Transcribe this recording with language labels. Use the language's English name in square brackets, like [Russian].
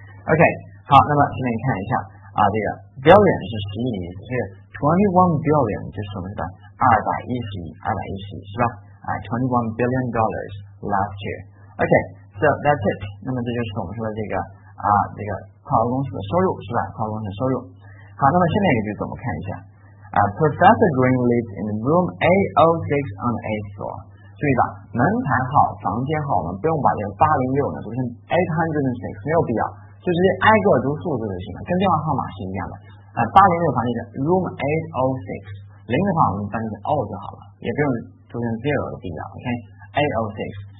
[Chinese] OK， 好，那么下面看一下啊，这个 billion 是十亿的意思，是 $21 billion 就是我们的210亿是吧？ [English] 啊 ，$21 billion last year。OK， so that's it。 [Chinese] 那么这就是我们说的这个。啊，这个跨国公司的收入是吧？跨国公司的收入。好，那么下面一个句子我们看一下。 [English] Professor Green lives in room A06 on the 8th floor。 [Chinese] 注意吧，门牌号、房间号，我们不用把这个806呢读成806，没有必要，就直接挨个读数字就行了，跟电话号码是一样的。 806房间的 room 806， 零的话我们翻译成 O 就好了，也不用读成 zero 的必要。OK， A06。